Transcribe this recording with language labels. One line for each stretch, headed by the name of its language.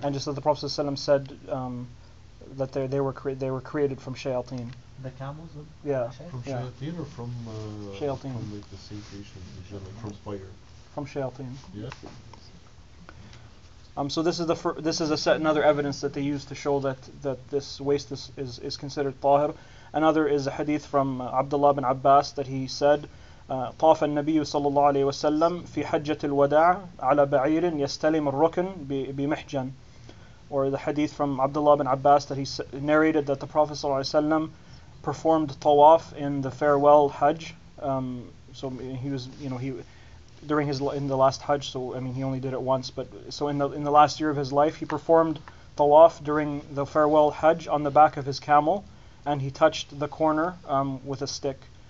English: And just that the Prophet ﷺ said said that they were created from shayateen. The camels? From shayateen or from the same creation, from fire? From shayateen. Yeah. So this is another evidence that they use to show that this waste is considered tahir. Another is a hadith from Abdullah bin Abbas that he said,
Arabic: طاف النبي صلى الله عليه وسلم في حجة الوداع على بعير يستلم الركن بمحجن.
English: Or the hadith from Abdullah bin Abbas that he narrated that the Prophet sallallahu alaihi wasallam performed tawaf in the farewell Hajj. So he was, you know, in the last Hajj. So I mean, he only did it once, but so in the last year of his life, he performed tawaf during the farewell Hajj on the back of his camel, and he touched the corner with a stick.